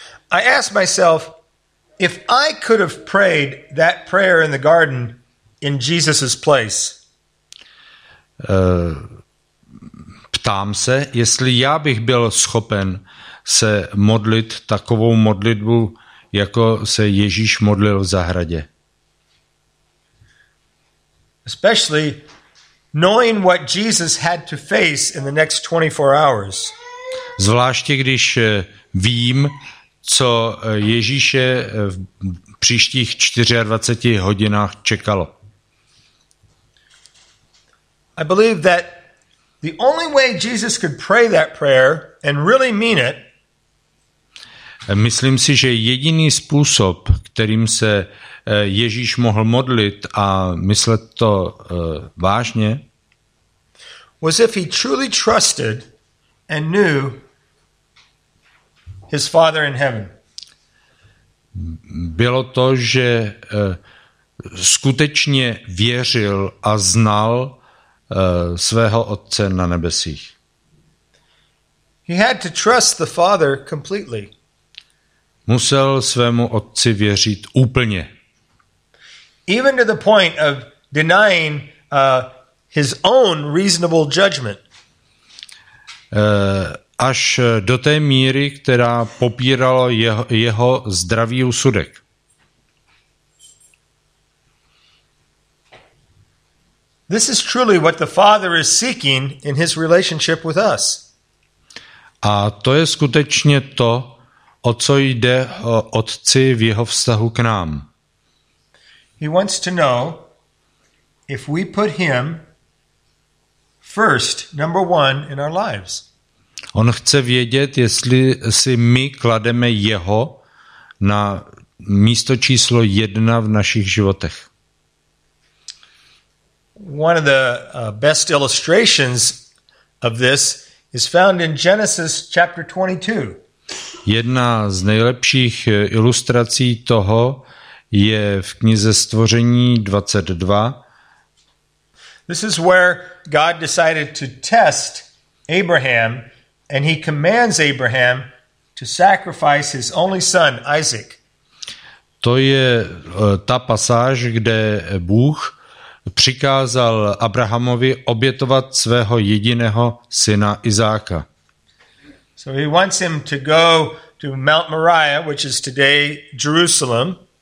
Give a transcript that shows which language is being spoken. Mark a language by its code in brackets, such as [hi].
[en] I ask myself, if I could have prayed that prayer in the garden in Jesus's place. [cs] Ptám se, jestli já bych byl schopen se modlit takovou modlitbu, jako se Ježíš modlil v zahradě. [en] Especially knowing what Jesus had to face in the next 24 hours. [cs] Zvláště když vím, co Ježíše v příštích 24 hodinách čekalo. [en] I believe that the only way Jesus could pray that prayer and really mean it. [cs] Myslím si, že jediný způsob, kterým se Ježíš mohl modlit a myslet to vážně, [en] was if he truly trusted and knew his Father in heaven. [cs] Bylo to, že skutečně věřil a znal svého Otce na nebesích. [en] He had to trust the Father completely. [cs] Musel svému Otci věřit úplně. [en] Even to the point of denying his own reasonable judgment. [cs] Až do té míry, která popírala jeho zdravý úsudek. [en] This is truly what the Father is seeking in his relationship with us. [cs] A to je skutečně to, o co jde Otci v jeho vztahu k nám. [en] He wants to know if we put him first, number one, in our lives. [cs] On chce vědět, jestli si my klademe jeho na místo číslo jedna v našich životech. [en] One of the best illustrations of this is found in Genesis chapter 22. [cs] Jedna z nejlepších ilustrací toho je v knize Stvoření 22. [en] This is where God decided to test Abraham, and he commands Abraham to sacrifice his only son, Isaac. [cs] To je ta pasáž, kde Bůh přikázal Abrahamovi obětovat svého jediného syna Izáka. [en] So he wants him to go to Mount Moriah, which is today Jerusalem.